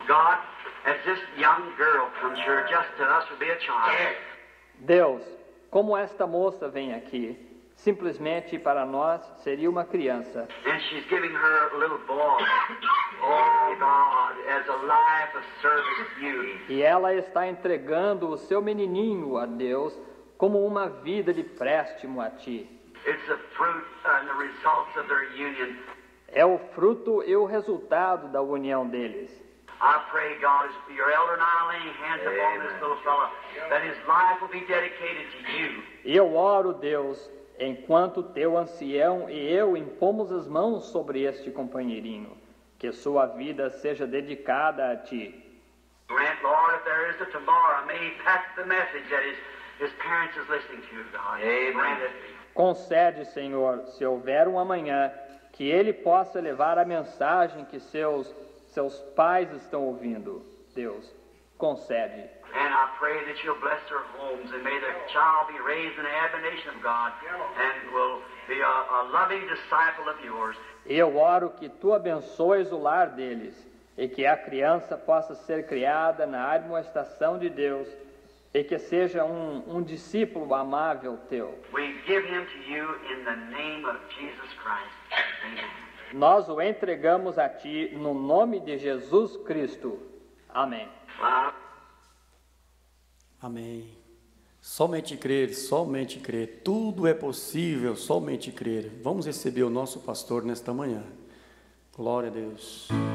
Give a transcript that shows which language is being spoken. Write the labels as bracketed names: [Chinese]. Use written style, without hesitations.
[English] God, as this young girl comes here just to us would be a child. [Portuguese] Deus. Como esta moça vem aqui, simplesmente para nós seria uma criança. [English] And she's giving her a little boy. Oh God, as a life of service to you. [Portuguese] E ela está entregando o seu menininho a Deus como uma vida de préstimo a ti. [English] It's the fruit and the results of their union. [Portuguese] É o fruto e o resultado da união deles. [English] I pray, God, as your elder and I lay hands upon this little fellow, that his life will be dedicated to you. [Portuguese] Eu oro, Deus, enquanto teu ancião e eu impomos as mãos sobre este companheirinho, que sua vida seja dedicada a ti. [English] Grant, Lord, if there is a tomorrow, may he pass the message that his parents is listening to, God. Amen. [Portuguese] Concede, Senhor, se houver um amanhã, que ele possa levar a mensagem que seus pais estão ouvindo. Deus, concede. [English] And I pray that you'll bless their homes and may their child be raised in the admonition of God and will be a loving disciple of yours. [Portuguese] Eu oro que tu abençoes o lar deles e que a criança possa ser criada na admoestação de Deus e que seja um discípulo amável teu. [English] We give him to you in the name of Jesus Christ. Amen. [Portuguese] Nós o entregamos a ti no nome de Jesus Cristo. Amém. Amém. Somente crer, somente crer. Tudo é possível, somente crer. Vamos receber o nosso pastor nesta manhã. Glória a Deus.